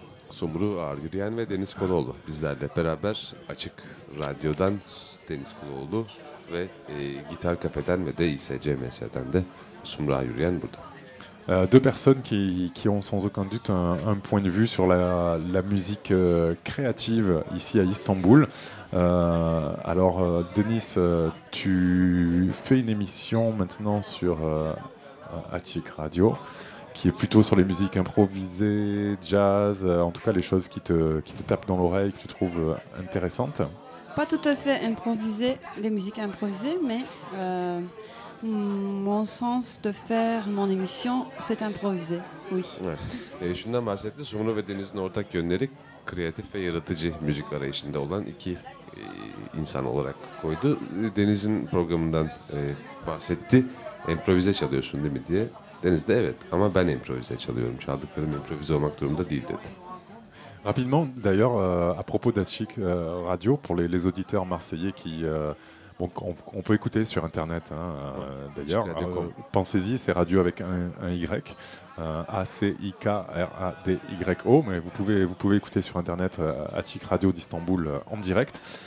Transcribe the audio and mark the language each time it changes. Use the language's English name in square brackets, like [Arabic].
[Turkish] Sumru Ağryuryen ve Deniz Koloğlu. Bizler de beraber Açık Radyo'dan Deniz Koloğlu ve Gitar Kafe'den ve de ISCMS'den de Sumru Ağryuryen burada. [French] Deux personnes qui ont sans aucun doute un point de vue sur la musique créative ici à Istanbul. Alors, Denis, tu fais une émission maintenant sur Açık Radio, qui est plutôt sur les musiques improvisées, jazz, en tout cas les choses qui te tapent dans l'oreille, que tu trouves intéressantes. Pas tout à fait improvisées, les musiques improvisées, mais... Mon sens de faire mon émission, c'est improvisé. Oui. [Turkish] Evet. Şundan bahsetti. Sumru ve Deniz'in ortak yönleri kreatif ve yaratıcı müzik arayışında olan iki insan olarak koydu. Deniz'in programından bahsetti. İmprovize çalıyorsun değil mi diye. Deniz de evet ama ben improvize çalıyorum. Çaldıklarım improvize olmak durumunda değil dedi. [French] Rapidement d'ailleurs à propos d'Açık Radio pour les auditeurs marseillais qui donc on peut écouter sur internet hein, ouais. D'ailleurs, pensez-y, c'est radio avec un Y, A-C-I-K-R-A-D-Y-O, mais vous pouvez écouter sur internet Açık Radio d'Istanbul en direct.